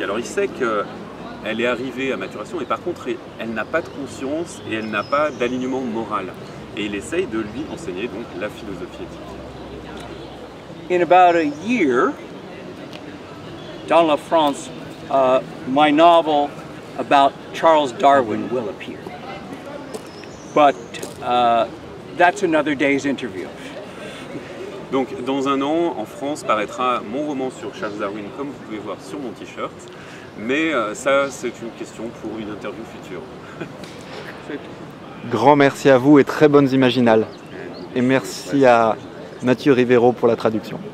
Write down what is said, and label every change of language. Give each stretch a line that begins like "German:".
French: Alors il sait qu'elle est arrivée à maturation, et par contre elle n'a pas de conscience et elle n'a pas d'alignement moral. Et il essaye de lui enseigner donc la philosophie éthique.
English: In about a year,
French: dans la France,
English: my novel about Charles Darwin will appear. But that's another day's interview.
French: Donc, dans un an, en France, paraîtra mon roman sur Charles Darwin, comme vous pouvez voir sur mon t-shirt. Mais ça, c'est une question pour une interview future. Grand merci à vous et très bonnes imaginales. Et merci à Mathieu Rivero pour la traduction.